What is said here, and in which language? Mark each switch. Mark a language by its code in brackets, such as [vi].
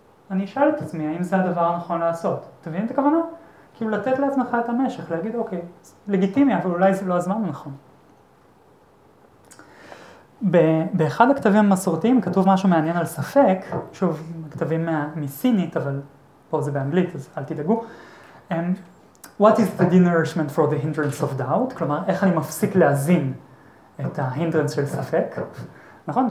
[he] אני אשאל את עצמי, האם זה הדבר הנכון לעשות? אתה מבין את הכוונה? כאילו לתת לעצמך את המשך, להגיד אוקיי, לגיטימי, אבל אולי זה לא הזמן הנכון. באחד הכתבים המסורתיים כתוב משהו מעניין על ספק, שוב, הכתבים מסינית, אבל פה זה באנגלית, אז אל תדאגו. [en] What is the nourishment for the hindrance of doubt? [he] כלומר, איך אני מפסיק להזין את ההינדרנס של ספק? נכון?